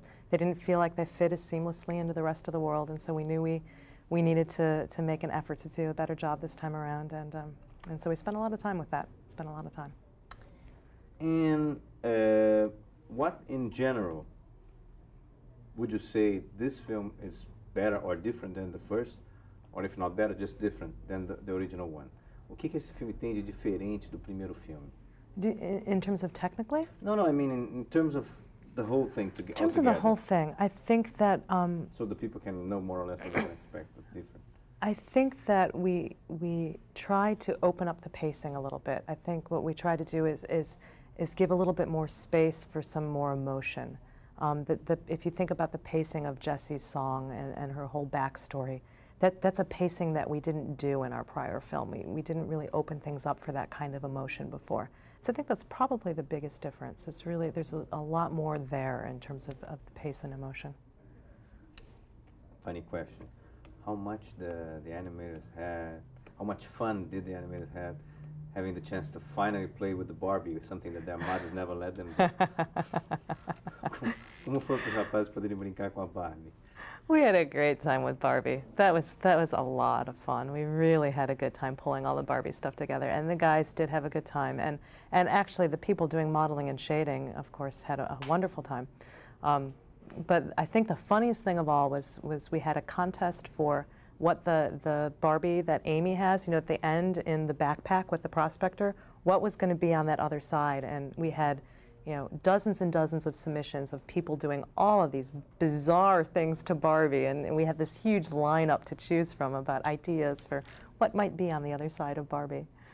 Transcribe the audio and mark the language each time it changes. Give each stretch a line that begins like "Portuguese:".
English: They didn't feel like they fit as seamlessly into the rest of the world, and so we knew we needed to make an effort to do a better job this time around, and so we spent a lot of time with that, spent a lot of time. And what, in general, would you say this film is better or different than the first? Or if not better, just different than the original one.
Portuguese: O que esse filme tem de diferente do primeiro filme?
English: In terms of technically? No, I mean in terms of the whole thing together. In terms of the whole thing, I think that... So the people can know more or less what they expect of different. I think that we try to open up the pacing a little bit. I think what we try to do is give a little bit more space for some more emotion. If you think about the pacing of Jessie's song and her whole backstory, That's a pacing that we didn't do in our prior film. We didn't really open things up for that kind of emotion before. So I think that's probably the biggest difference. It's really, there's a lot more there in terms of the pace and emotion. Funny question. How much the animators had, how much fun did the animators have having the chance to finally play with the Barbie, something that their mothers never let them do?
Portuguese: Como foi que os rapazes poderiam brincar com a Barbie?
English: We had a great time with Barbie. That was a lot of fun. We really had a good time pulling all the Barbie stuff together, and the guys did have a good time. And actually, the people doing modeling and shading, of course, had a wonderful time. But I think the funniest thing of all was we had a contest for what the Barbie that Amy has, you know, at the end in the backpack with the prospector, what was going to be on that other side, and we had, you know, dozens and dozens of submissions of people doing all of these bizarre things to Barbie, and we had this huge lineup to choose from about ideas for what might be on the other side of Barbie.